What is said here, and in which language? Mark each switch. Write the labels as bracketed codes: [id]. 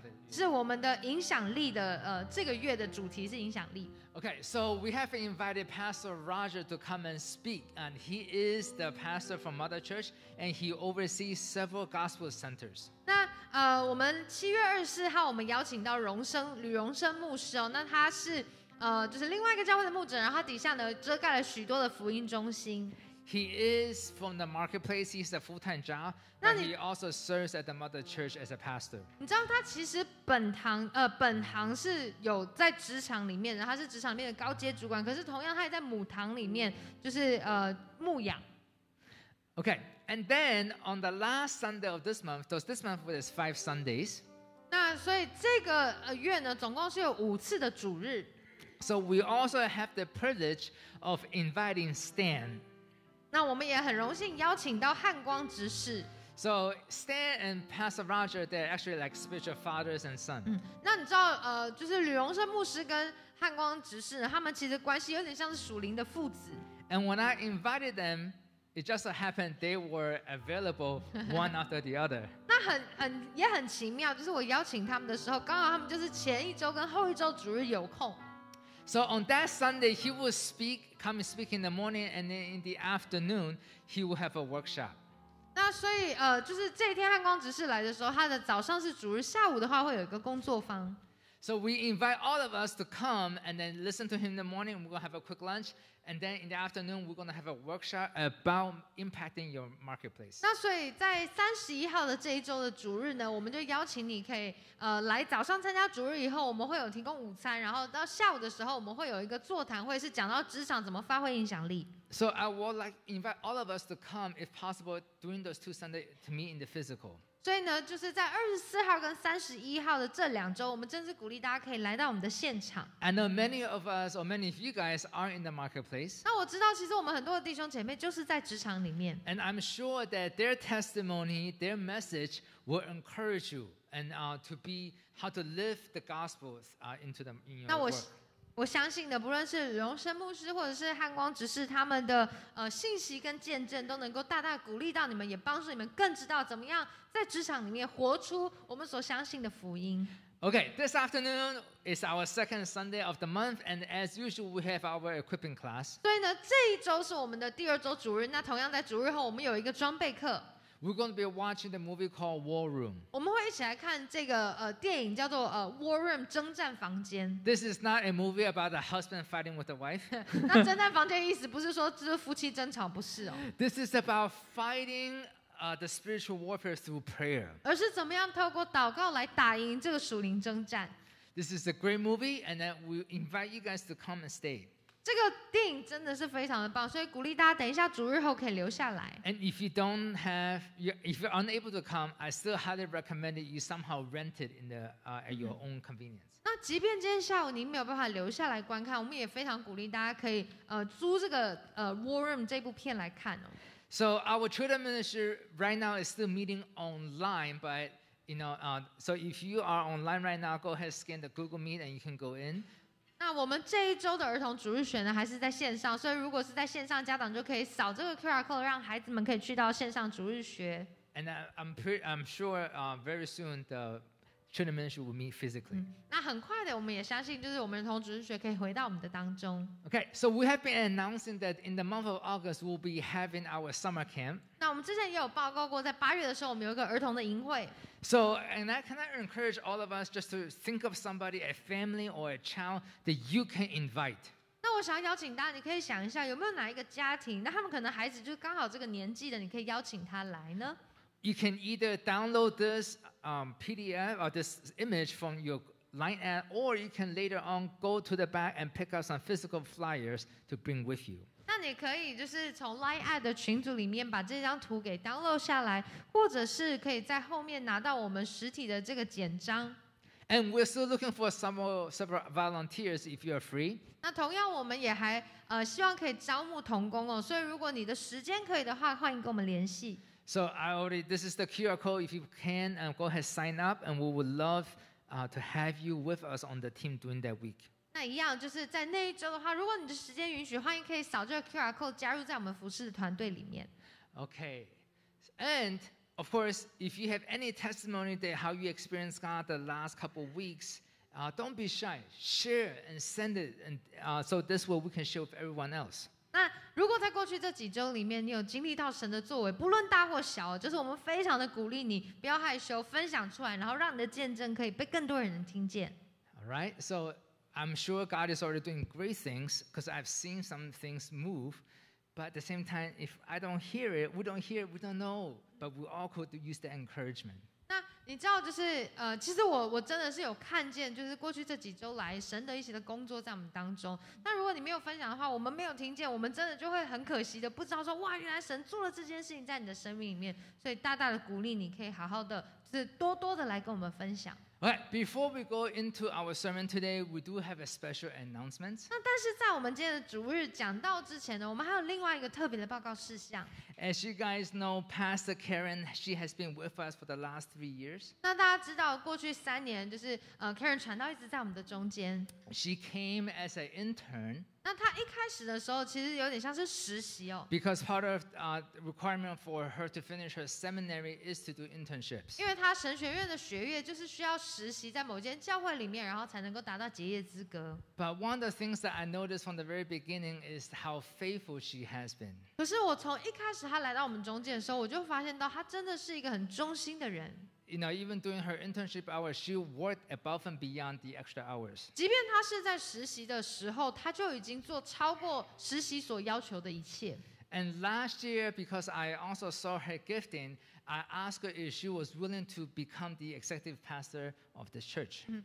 [zh] 是我们的影响力的这个月的主题是影响力。 [en] Okay, so we have invited Pastor Roger to come and speak, and he is the pastor from Mother Church, and he oversees several gospel centers. [zh] 那我们七月二十四号我们邀请到荣生吕荣生牧师哦，那他是就是另外一个教会的牧者，然后他底下呢遮盖了许多的福音中心。 [en] He is from the marketplace. He's a full-time job, but he also serves at the mother church as a pastor. [zh] 你知道他其实本行是有在职场里面，他是职场里面的高阶主管。可是同样，他也在母堂里面，就是牧养。 [en] Okay, and then on the last Sunday of this month, because this month is 5 Sundays. [zh] 那所以这个月呢，总共是有五次的主日。 [en] So we also have the privilege of inviting Stan. [zh] 那我们也很荣幸邀请到汉光执事。 [en] So Stan and Pastor Roger, they're actually like spiritual fathers and son.、嗯、 [zh] 那你知道就是吕荣生牧师跟汉光执事，他们其实关系有点像是属灵的父子。 [en] And when I invited them, it just so happened they were available one after the other. [zh] 那也很奇妙，就是我邀请他们的时候，刚好他们就是前一周跟后一周主日有空。 [en] So on that Sunday, he will come and speak in the morning, and then in the afternoon, he will have a workshop. [zh] 那所以就是这一天汉光执事来的时候，他的早上是主日，下午的话会有一个工作坊。 [en] So we invite all of us to come and then listen to him in the morning. We're gonna have a quick lunch, and then in the afternoon, we're gonna have a workshop about impacting your marketplace. [zh] 那所以在三十一号的这一周的主日呢，我们就邀请你可以来早上参加主日以后，我们会有提供午餐，然后到下午的时候，我们会有一个座谈会，是讲到职场怎么发挥影响力。 [en] So I would like invite all of us to come if possible during those two Sundays to meet in the physical. [zh] 所以呢，就是在二十四号跟三十一号的这两周，我们真是鼓励大家可以来到我们的现场。 [en] I know many of us or many of you guys are in the marketplace. [zh] 那我知道，其实我们很多的弟兄姐妹就是在职场里面。 [en] And I'm sure that their testimony, their message will encourage you and to be how to live the gospel into them in your work. [zh] 我相信的，不论是荣生牧师或者是汉光执事，他们的信息跟见证都能够大大鼓励到你们，也帮助你们更知道怎么样在职场里面活出我们所相信的福音。 [en] Okay, this afternoon is our second Sunday of the month, and as usual, we have our equipping class. [zh] 所以呢，这一周是我们的第二周主日。那同样在主日后，我们有一个装备课。 [en] We're going to be watching the movie called War Room. [zh] 我们会一起来看这个电影叫做War Room 征战房间。 [en] This is not a movie about a husband fighting with a wife. [zh] 那征战房间意思不是说就是夫妻争吵，不是哦。 [en] This is about fighting the spiritual warfare through prayer. [zh] 而是怎么样透过祷告来打赢这个属灵征战。 [en] This is a great movie, and then we invite you guys to come and stay. [zh] 这个电影真的是非常的棒，所以鼓励大家等一下主日后可以留下来。 [en] And if you don't have, if you're unable to come, I still highly recommend you somehow rent it in the at your own convenience. [zh] 那即便今天下午您没有办法留下来观看，我们也非常鼓励大家可以租这个War Room 这部片来看哦。 [en] So our children ministry right now is still meeting online, but you know, so if you are online right now, go ahead scan the Google Meet and you can go in. [zh] 那我们这一周的儿童主日学呢，还是在线上，所以如果是在线上，家长就可以扫这个 QR code， 让孩子们可以去到线上主日学。 [en] And I'm sure, very soon the children ministry will meet physically. [zh] 那很快的，我们也相信就是我们儿童主日学可以回到我们的当中。 [en] Okay, so we have been announcing that in the month of August we'll be having our summer camp. [zh] 那我们之前也有报告过，在八月的时候我们有一个儿童的营会。 [en] So, and I can encourage all of us just to think of somebody, a family or a child that you can invite. [zh] 那我想邀请大家，你可以想一下，有没有哪一个家庭，那他们可能孩子就刚好这个年纪的，你可以邀请他来呢？ [en] You can either download this PDF or this image from your Line app, or you can later on go to the back and pick up some physical flyers to bring with you. [zh] 那你可以就是从 Line app 的群组里面把这张图给 download 下来，或者是可以在后面拿到我们实体的这个简章。 [en] And we're still looking for several volunteers if you're free. [zh] 那同样我们也还希望可以招募同工哦，所以如果你的时间可以的话，欢迎跟我们联系。 [en] So I already this is the QR code. If you can, go ahead sign up, and we would love to have you with us on the team during that week. [zh] 那一样就是在那一周的话，如果你的时间允许，欢迎可以扫这个 QR code 加入在我们服事的团队里面。 [en] Okay, and of course, if you have any testimony that how you experienced God the last couple of weeks, don't be shy, share and send it, and so this way we can share with everyone else. [zh] 那如果在过去这几周里面，你有经历到神的作为，不论大或小，就是我们非常的鼓励你，不要害羞，分享出来，然后让你的见证可以被更多人听见。 [en] All right, so I'm sure God is already doing great things because I've seen some things move. But at the same time, if I don't hear it, we don't hear it, we don't know. But we all could use the encouragement. [zh] 那你知道，就是其实我真的是有看见，就是过去这几周来神的一些的工作在我们当中。那如果你没有分享的话，我们没有听见，我们真的就会很可惜的，不知道说哇，原来神做了这件事情在你的生命里面。所以大大的鼓励你，可以好好的，就是多多的来跟我们分享。 [en] Alright, before we go into our sermon today, we do have a special announcement. [zh] 那但是在我们今天的主日讲到之前呢，我们还有另外一个特别的报告事项。 [en] As you guys know, Pastor Karen, she has been with us for the last 3 years. [zh] 那大家知道，过去三年就是Karen 传道一直在我们的中间。 [en] She came as an intern. [zh] 那她一开始的时候其实有点像是实习哦。 [en] Because part of the requirement for her to finish her seminary is to do internships. [zh] 因为她神学院的学业就是需要实习在某间教会里面，然后才能够达到结业资格。 [en] But one of the things that I noticed from the very beginning is how faithful she has been. [zh] 可是我从一开始她来到我们中间的时候，我就发现到她真的是一个很忠心的人。 [en] You know, even during her internship hours, she worked above and beyond the extra hours. [zh] 即便她是在实习的时候，她就已经做超过实习所要求的一切。 [en] And last year, because I also saw her gifting, I asked her if she was willing to become the executive pastor of this church.